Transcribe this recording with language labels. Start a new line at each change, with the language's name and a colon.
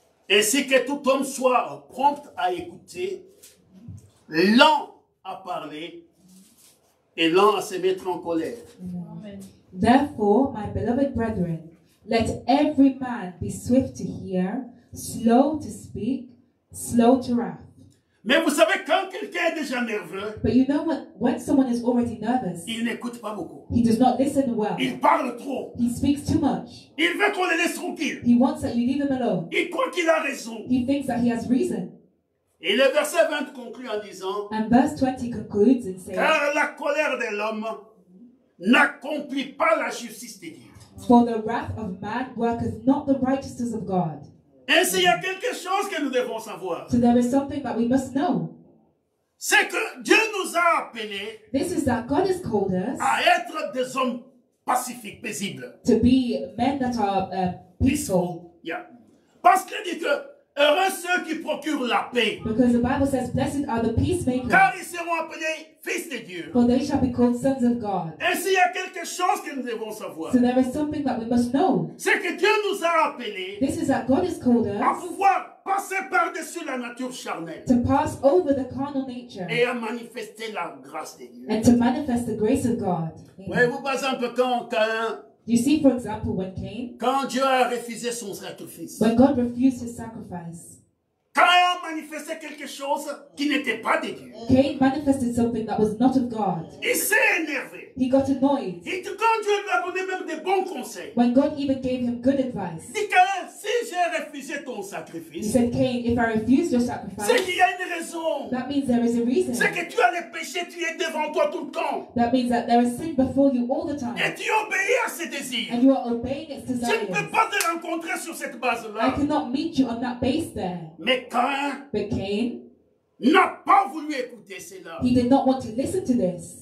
French: Ainsi que tout homme soit prompt à écouter, lent à parler et lent à se mettre en colère. Amen.
English: Therefore, my beloved brethren, let every man be swift to hear, slow to speak, slow to wrath.
French: Mais vous savez, quand quelqu'un est déjà nerveux,
English: but you know when someone is already nervous,
French: il n'écoute pas beaucoup.
English: He does not listen well.
French: Il parle trop.
English: He speaks too much.
French: Il veut qu'on le laisse tranquille.
English: He wants that you leave him alone.
French: Il croit qu'il a raison.
English: He thinks that he has reason.
French: Et le verset 20 conclut en disant,
English: and verse 20 concludes and says,
French: car la colère de l'homme n'accomplit pas la justice de Dieu.
English: For the wrath of man worketh not the righteousness of God.
French: Ainsi, il y a quelque chose que nous devons savoir.
English: So there is something that we must know.
French: C'est que Dieu nous a appelés.
English: This is that God has called us.
French: À être des hommes pacifiques, paisibles.
English: To be men that are peaceful. Yeah.
French: Parce qu'il dit que heureux ceux qui procurent la paix.
English: Because the Bible says, blessed are the peacemakers.
French: Car ils seront appelés fils de Dieu.
English: For they shall be called sons of God.
French: Ainsi, il y a quelque chose que nous devons savoir.
English: So there is something that we must know.
French: C'est que Dieu nous a appelés.
English: This is that God has called us.
French: À pouvoir passer par-dessus la nature charnelle.
English: To pass over the carnal nature.
French: Et à manifester la grâce de Dieu.
English: And to manifest the grace of God.
French: Voyez-vous par exemple quand Caïn.
English: You see, for example, when Cain.
French: Quand Dieu a refusé son sacrifice.
English: When God refused his sacrifice.
French: Cain manifestait quelque chose qui n'était pas de Dieu.
English: Cain manifested something that was not of God.
French: Il s'est énervé.
English: He got annoyed.
French: Et quand Dieu lui a donné même des bons conseils.
English: When God even gave him good advice.
French: Dit Cain, si j'ai refusé refuser ton sacrifice,
English: he said, Cain, if I refuse your sacrifice,
French: c'est qu'il y a une raison.
English: That means there is a reason.
French: C'est que tu as le péché, tu es devant toi tout le temps.
English: That means that there is sin before you all the time.
French: Et tu obéis à ses désirs.
English: And you are obeying its desires.
French: Je ne peux pas te rencontrer sur cette base-là.
English: I cannot meet you on that base there.
French: Mais Cain,
English: but Cain
French: n'a pas voulu écouter cela.
English: He did not want to listen to this.